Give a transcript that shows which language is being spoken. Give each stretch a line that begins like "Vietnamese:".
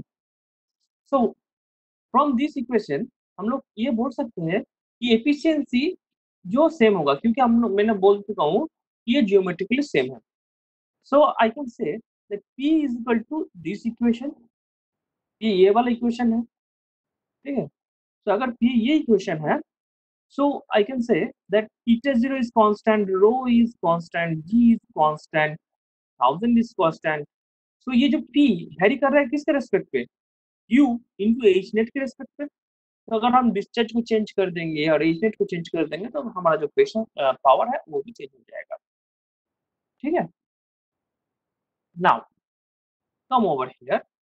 Hindi: So from this equation हम लोग ये बोल सकते हैं कि एफिशिएंसी जो सेम होगा, क्योंकि हम लोग मैंने बोल चुका हूँ कि ये ज्योमेट्रिकली सेम है।
English: so I can say that P is equal to this equation,
Hindi: ये वाला इक्वेशन है, ठीक है। तो अगर पी ये इक्वेशन है
English: So I can say that eta zero is constant, rho is constant, g is constant, thousand is constant.
Hindi: So ये जो p vary कर रहा है किसके रेस्पेक्ट पे, u into h net के रेस्पेक्ट पे. तो अगर हम डिस्चार्ज को चेंज कर देंगे और h net को चेंज कर देंगे तो हमारा जो प्रेशर पावर है वो भी चेंज हो जाएगा. ठीक है,
English: Now come over here.